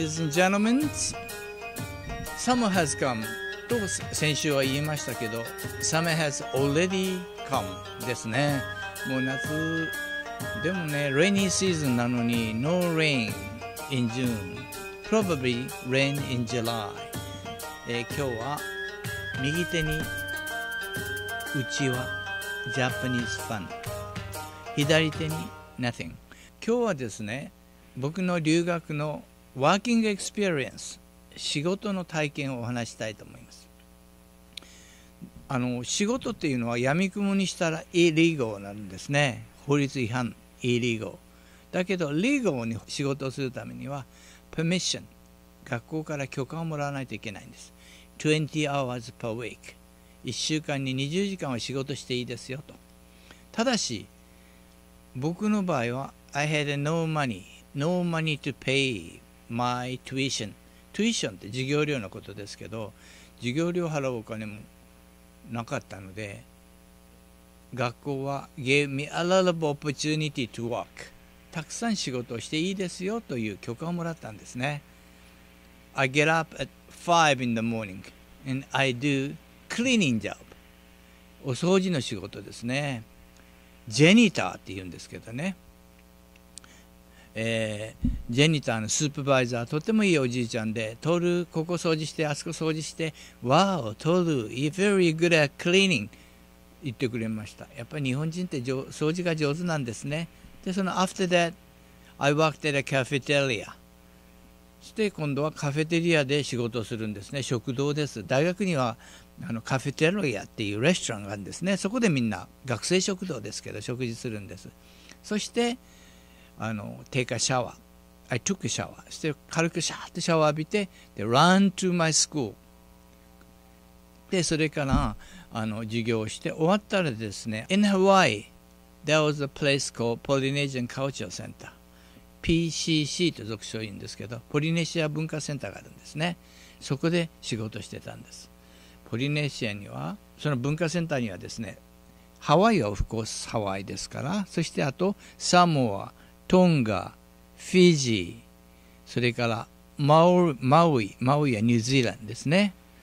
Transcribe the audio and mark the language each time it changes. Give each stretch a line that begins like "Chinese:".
English: gentlemen, summer has come.
Japanese: と先週は言いましたけど、
English: summer has already come
Japanese: ですね。もう夏でもね、
English: rainy season
Japanese: なのに、
English: no rain in June, probably rain in July。
Japanese: 今日は右手にうちは Japanese fun、左手に nothing。今日はですね、僕の留学のワーキングエクスペリエンス、仕事の体験をお話したいと思います。仕事っていうのはやみくもにしたらイリーゴーなんですね。法律違反、イリーゴー。だけど、リーゴーに仕事をするためには、permission、学校から許可をもらわないといけないんです。
English: 20 hours per week。
Japanese: 1週間に20時間は仕事していいですよと。ただし、僕の場合は、
English: I had no money。 No money to pay my tuition。
Japanese: Tuition って授業料のことですけど、授業料払うお金もなかったので、学校は
English: gave me a lot of opportunity to work。
Japanese: たくさん仕事をしていいですよという許可をもらったんですね。
English: I get up at 5 in the morning and I do cleaning job。
Japanese: お掃除の仕事ですね。ジェニターって言うんですけどね。ジェニターのスーパーバイザー、とてもいいおじいちゃんで、トール、ここ掃除して、あそこ掃除して、ワーオ、トール、
English: you're very good at cleaning、
Japanese: 言ってくれました。やっぱり日本人って掃除が上手なんですね。で、その
English: after that, I worked at a cafeteria。
Japanese: そして今度はカフェテリアで仕事をするんですね。食堂です。大学にはカフェテリアっていうレストランがあるんですね。そこでみんな、学生食堂ですけど、食事するんです。そして、
English: take a shower. I took a shower.
Japanese: そして軽くシャーってシャワー浴びて、で、
English: run to my school.
Japanese: で、それから、授業をして、終わったらですね、
English: in Hawaii, there was a place called Polynesian Culture Center.
Japanese: PCC と俗称言うんですけど、ポリネシア文化センターがあるんですね。そこで仕事してたんです。ポリネシアには、その文化センターにはですね、ハワイはオフコースハワイですから、そしてあと、サモア、トンガ、フィジー、それからマウイ、マウイはニュージーランドですね。